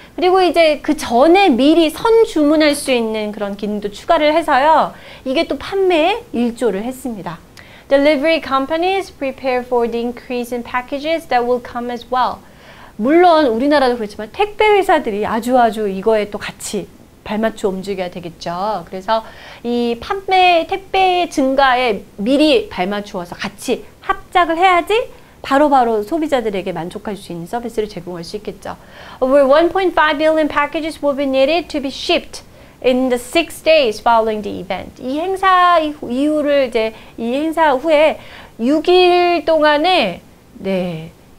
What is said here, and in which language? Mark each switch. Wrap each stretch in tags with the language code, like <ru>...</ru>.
<ko>그리고 이제 그 전에 미리 선 주문할 수 있는 그런 기능도 추가를 해서요. 이게 또 판매에 일조를 했습니다.</ko> <en>Delivery companies prepare for the increase in packages that will come as well.</en> <ko>물론 우리나라도 그렇지만 택배 회사들이 아주 이거에 또 같이 발맞춰 움직여야 되겠죠. 그래서 이 판매 택배 증가에 미리 발맞추어서 같이 합작을 해야지 바로 소비자들에게 만족할 수 있는 서비스를 제공할 수 있겠죠.</ko> <en>Over 1.5 billion packages will be needed to be shipped in the 6 days following the event.</en> <ko>이 행사 이후를 이제 이 행사 후에 6일 동안에 네.</ko>